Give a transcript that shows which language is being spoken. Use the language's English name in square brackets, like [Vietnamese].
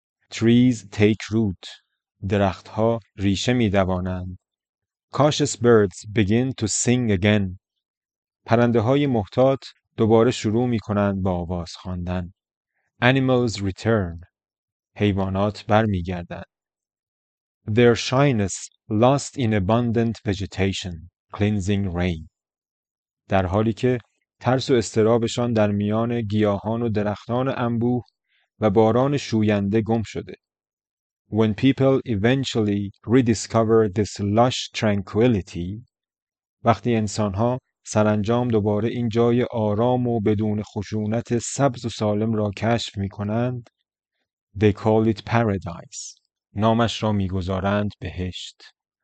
[English] Trees take root. [Persian] درخت ها ریشه می دوانند. [English] Cautious birds begin to sing again. [Persian] پرنده های محتاط دوباره شروع می کنند با آواز خواندن. [English] Animals return. [Persian] حیوانات بر می گردند. [English] Their shyness lost in abundant vegetation, cleansing rain. [Persian] در حالی که ترس و استرابشان در میان گیاهان و درختان انبوه و باران شوینده گم شده. [English] When people eventually rediscover this lush tranquility, [Persian] وقتی انسان‌ها سرانجام دوباره این جای آرام و بدون خشونت سبز و سالم را کشف می‌کنند, [English] they call it paradise. [Persian] نامش را می‌گذارند بهشت.